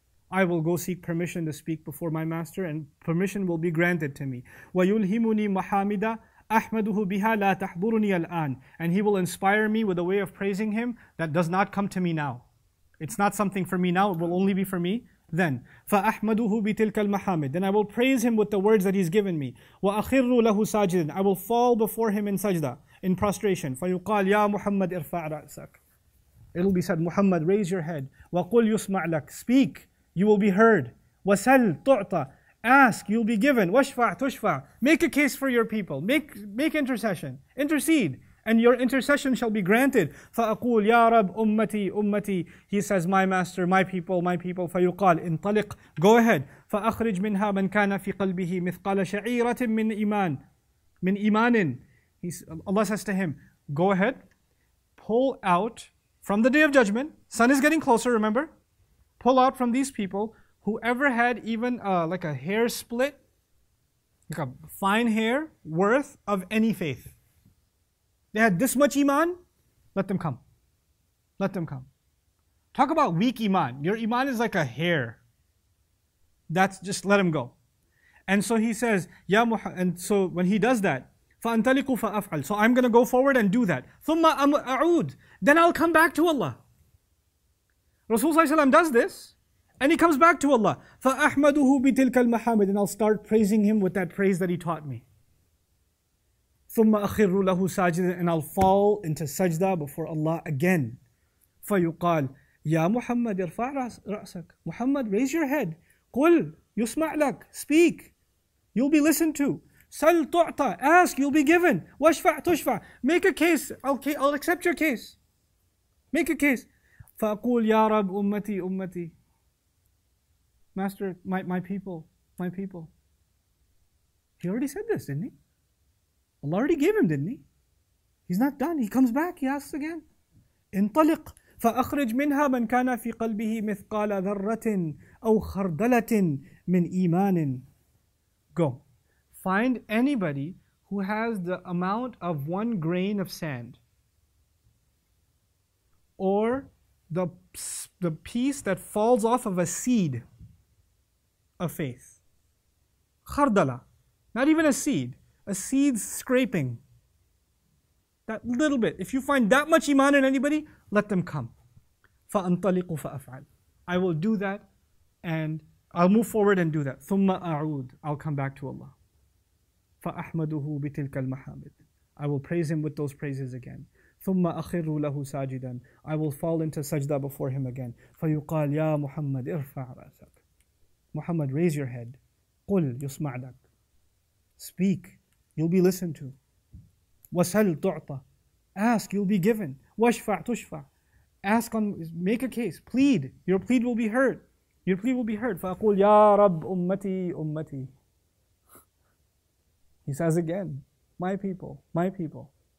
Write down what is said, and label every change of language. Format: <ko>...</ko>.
<en>I will go seek permission to speak before my master and permission will be granted to me.</en> <ar>وَيُلْهِمُنِي مَحَامِدًا أَحْمَدُهُ بِهَا لَا تَحْضُرُنِيَ الْآنِ.</ar> <en>And he will inspire me with a way of praising him that does not come to me now. It's not something for me now, it will only be for me. Then,</en> <ar>فَأَحْمَدُهُ بِتِلْكَ الْمَحَامِدِ.</ar> <en>Then I will praise him with the words that he's given me.</en> <ar>وَأَخِرُّ لَهُ سَاجِدًا.</ar> <en>I will fall before him in sajda, in prostration.</en> <ar>فَيُقَالْ يَا مُحَمَّدْ اِرْفَعْ رَأْسَكْ.</ar> <en>It'll be said, Muhammad, raise your head.</en> <ar>وَقُلْ يُسْمَعْ لَكْ.</ar> <en>Speak, you will be heard.</en> <ar>وَسَلْ تُعْطَ.</ar> <en>Ask, you'll be given.</en> <ar>وَشْفَعْ تُشْفَعْ.</ar> <en>Make a case for your people. Make intercession. Intercede. And your intercession shall be granted.</en> <ar>فأقول يا رب أمتي أمتي.</ar> <en>He says, my master, my people, my people.</en> <ar>فيقال انطلق.</ar> <en>Go ahead.</en> <ar>فأخرج منها من كان في قلبه مثقال شعيرة من إيمان من إيمان.</ar> <en>Allah says to him, go ahead, pull out from the day of judgment. Sun is getting closer. Remember, pull out from these people whoever had even like a hair split, like a fine hair worth of any faith. They had this much iman, let them come. Let them come. Talk about weak iman. Your iman is like a hair. That's just let him go. And so he says, Ya Muhammad. And so when he does that,</en> <ar>فَأَنْتَلِقُ فَأَفْعَلْ.</ar> <en>So I'm going to go forward and do that.</en> <ar>ثُمَّ أَعُودُ.</ar> <en>Then I'll come back to Allah. Rasulullah ﷺ does this, and he comes back to Allah.</en> <ar>فَأَحْمَدُهُ بِتِلْكَ الْمَحَامِدِ</ar> <en>And I'll start praising him with that praise that he taught me.</en> <ar>ثُمَّ أَخِرُّ لَهُ سَاجِدًا</ar> <en>And I'll fall into sajda before Allah again.</en> <ar>فَيُقَالْ يَا مُحَمَّدْ ارْفَعْ رَأْسَكْ</ar> <en>Muhammad, raise your head.</en> <ar>قُلْ يُسْمَعْ لَكْ</ar> <en>Speak. You'll be listened to.</en> <ar>سَلْ تُعْطَى</ar> <en>Ask, you'll be given.</en> <ar>وَاشْفَعْ تُشْفَعْ</ar> <en>Make a case. Okay, I'll accept your case. Make a case.</en> <ar>فَأَقُولْ يَا رَبْ أُمَّتِي أُمَّتِي</ar> <en>Master, my people. He already said this, didn't he? Allah already gave him, didn't he? He's not done. He comes back, he asks again.</en> <ar>انطلق فأخرج منها من كان في قلبه مثقال ذرة أو خردلة من إيمان.</ar> <en>Go. Find anybody who has the amount of one grain of sand or the piece that falls off of a seed of faith. خردلة. Not even a seed. A seed scraping. That little bit. If you find that much iman in anybody, let them come.</en> <ar>فَأَنْطَلِقُ فَأَفْعَلْ</ar> <en>I will do that and I'll move forward and do that.</en> <ar>ثُمَّ أَعُودْ</ar> <en>I'll come back to Allah.</en> <ar>فَأَحْمَدُهُ بِتِلْكَ الْمَحَامِدِ</ar> <en>I will praise him with those praises again.</en> <ar>ثُمَّ أَخِرُّ لَهُ سَاجِدًا</ar> <en>I will fall into sajda before him again.</en> <ar>فَيُقَالْ يَا مُحَمَّدْ ارْفَعْ رَأْسَكْ</ar> <en>Muhammad, raise your head.</en> <ar>قُلْ يُسْمَعْ لَكْ</ar> <en>Speak. You'll be listened to.</en> <ar>وَسَلْ تُعْطَى</ar> <en>Ask, you'll be given.</en> <ar>وَاشْفَعْ تُشْفَعْ</ar> <en>Ask on, make a case, plead. Your plead will be heard. Your plea will be heard.</en> <ar>فَأَقُولْ يَا رَبْ أُمَّتِي أُمَّتِي</ar> <en>He says again, my people.</en>